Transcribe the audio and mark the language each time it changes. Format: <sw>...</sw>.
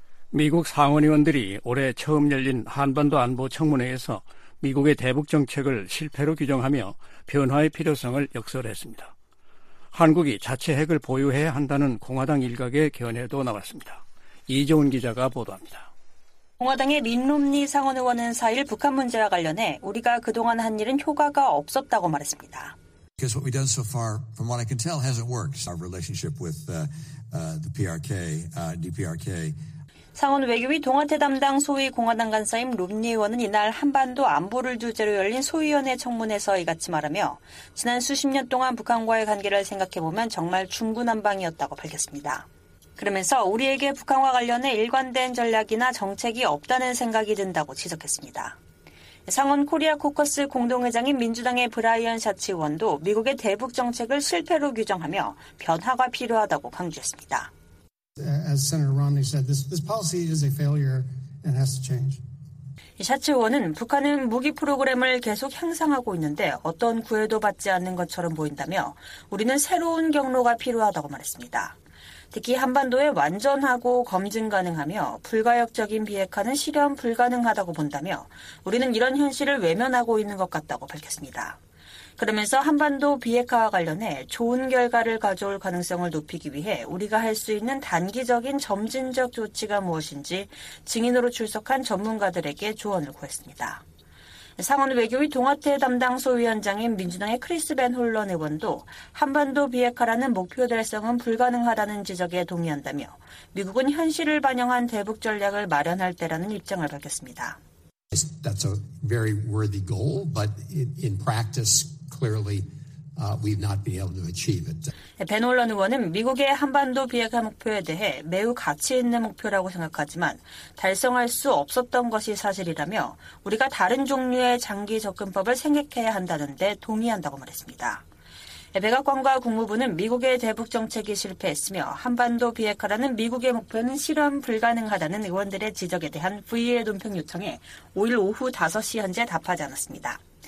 <ko>미국 상원의원들이 올해 처음 열린 한반도 안보 청문회에서 미국의 대북 정책을 실패로 규정하며 변화의 필요성을 역설했습니다. 한국이 자체 핵을 보유해야 한다는 공화당 일각의 견해도 나왔습니다. 이종훈 기자가 보도합니다. 공화당의 민롬니 상원의원은 4일 북한 문제와 관련해 우리가 그동안 한 일은 효과가 없었다고 말했습니다.</ko> <en>Because what we've done so far, from what I can tell, hasn't worked. Our relationship with the PRK, DPRK.</en> <ko>상원 외교위 동아태 담당 소위 공화당 간사인 롬니 의원은 이날 한반도 안보를 주제로 열린 소위원회 청문회에서 이같이 말하며 지난 수십 년 동안 북한과의 관계를 생각해보면 정말 중구난방이었다고 밝혔습니다. 그러면서 우리에게 북한과 관련해 일관된 전략이나 정책이 없다는 생각이 든다고 지적했습니다. 상원 코리아 코커스 공동회장인 민주당의 브라이언 샤치 의원도 미국의 대북 정책을 실패로 규정하며 변화가 필요하다고 강조했습니다.</ko> <en>As Senator Romney said, this policy is a failure and has to change.</en> <ko>샤츠 의원은 북한은 무기 프로그램을 계속 향상하고 있는데 어떤 구애도 받지 않는 것처럼 보인다며 우리는 새로운 경로가 필요하다고 말했습니다. 특히 한반도에 완전하고 검증 가능하며 불가역적인 비핵화는 실현 불가능하다고 본다며 우리는 이런 현실을 외면하고 있는 것 같다고 밝혔습니다. 그러면서 한반도 비핵화와 관련해 좋은 결과를 가져올 가능성을 높이기 위해 우리가 할 수 있는 단기적인 점진적 조치가 무엇인지 증인으로 출석한 전문가들에게 조언을 구했습니다. 상원 외교위 동아태 담당 소위원장인 민주당의 크리스 벤 홀런 의원도 한반도 비핵화라는 목표 달성은 불가능하다는 지적에 동의한다며 미국은 현실을 반영한 대북 전략을 마련할 때라는 입장을 밝혔습니다.</ko> <en>That's a very worthy goal, but in practice, clearly, we've not been able to achieve it.</en> <ko>벤 홀런 의원은 미국의 한반도 비핵화 목표에 대해 매우 가치 있는 목표라고 생각하지만 달성할 수 없었던 것이 사실이라며 우리가 다른 종류의 장기 접근법을 생각해야 한다는 데 동의한다고 말했습니다. 백악관과 국무부는 미국의 대북 정책이 실패했으며 한반도 비핵화라는 미국의 목표는 실현 불가능하다는 의원들의 지적에 대한 부의 논평 요청에 5일 오후 5시 현재 답하지 않았습니다.</ko>